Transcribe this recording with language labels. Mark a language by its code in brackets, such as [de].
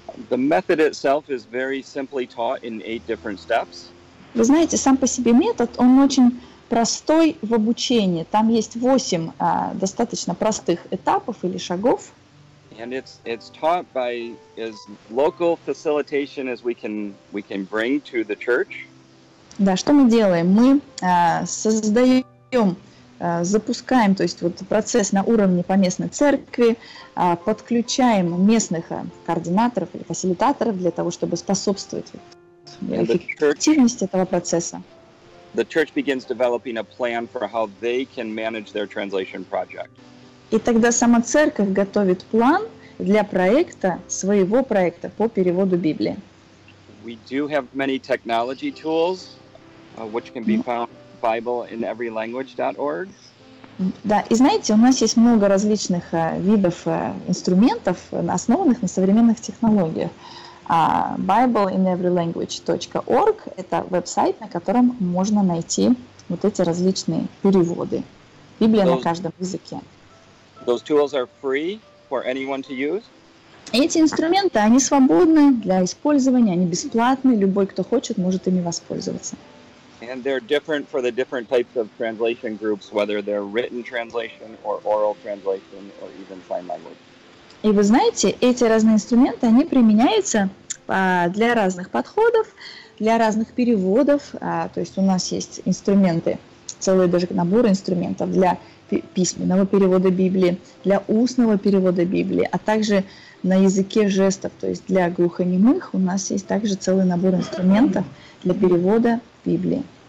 [en] The method itself is very simply taught in 8 different steps. [ru] Вы знаете, сам по себе метод, он очень простой в обучении. Там есть 8 достаточно простых этапов или шагов. [en] And it's taught by as local facilitation as we can bring to the church. [ru] Да, что мы делаем? Мы создаем, запускаем, то есть вот процесс на уровне по местной церкви, подключаем местных координаторов или фасилитаторов для того, чтобы способствовать вот, эффективности этого процесса. [en] The church begins developing a plan for how they can manage their translation project. [ru] И тогда сама церковь готовит план для проекта, своего проекта по переводу Библии. [en] We do have many technology tools, which can be found at BibleInEveryLanguage.org. [ru] Да, и знаете, у нас есть много различных видов инструментов, основанных на современных технологиях. BibleInEveryLanguage.org – это веб-сайт, на котором можно найти вот эти различные переводы. Библия на каждом языке. [en] Those tools are free for anyone to use. [ru] Эти инструменты, они свободны для использования, они бесплатны, любой, кто хочет, может ими воспользоваться. [en] And they're different for the different types of translation groups, whether they're written translation or oral translation or even sign language. [ru] И вы знаете, эти разные инструменты, они применяются для разных подходов, для разных переводов, то есть у нас есть инструменты, целый даже набор инструментов для письменного перевода Библии, для устного перевода Библии, а также на языке жестов, то есть для глухонемых у нас есть также целый набор инструментов для перевода Библии.